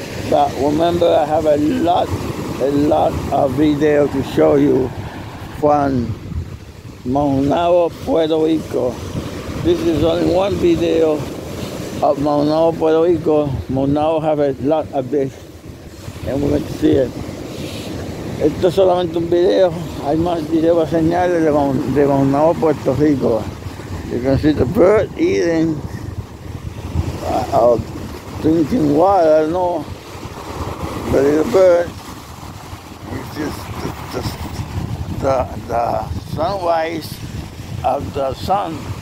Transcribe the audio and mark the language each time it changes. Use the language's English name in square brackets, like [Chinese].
[English] But remember, I have a lot of video to show you from Maunabo, Puerto Rico. This is only one video of Maunabo, Puerto Rico. Maunabo have a lot of fish, and we're going to see it. [Spanish] Esto es solamente un video. Hay más videos señales de Maunabo, Puerto Rico. [English] You can see the bird eating, drinking water, I don't know. But it's a bird. The sunrise of the sun.